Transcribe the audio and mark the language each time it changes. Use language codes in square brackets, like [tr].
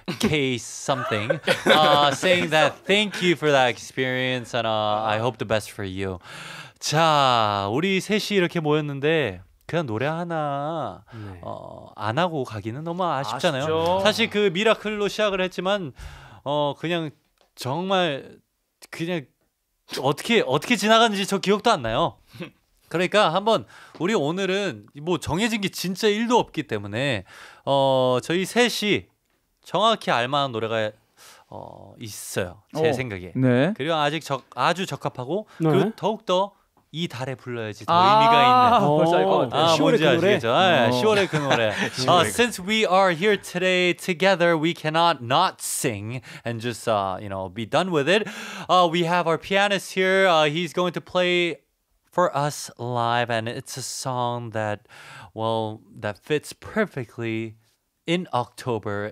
[en] K something saying that thank you for that experience and I hope the best for you. [ko] 자, 우리 셋이 이렇게 모였는데 그냥 노래 하나 안 하고 가기는 너무 아쉽잖아요. 아쉽죠. 사실 그 미라클로 시작을 했지만 그냥 정말 그냥 어떻게 지나갔는지 저 기억도 안 나요. 그러니까 한번 우리 오늘은 뭐 정해진 게 진짜 1도 없기 때문에 저희 셋이 정확히 알만한 노래가 있어요. 제 생각에. 네. 그리고 아직 아주 적합하고 네. 그리고 더욱더 이 달에 불러야지 더 의미가 있는. 벌써 알 것 같아요. 뭔지 아시겠죠? 10월의 그 노래. [en] Since we are here today together, we cannot not sing and just you know be done with it. We have our pianist here. He's going to play for us live, and it's a song that well that fits perfectly in October.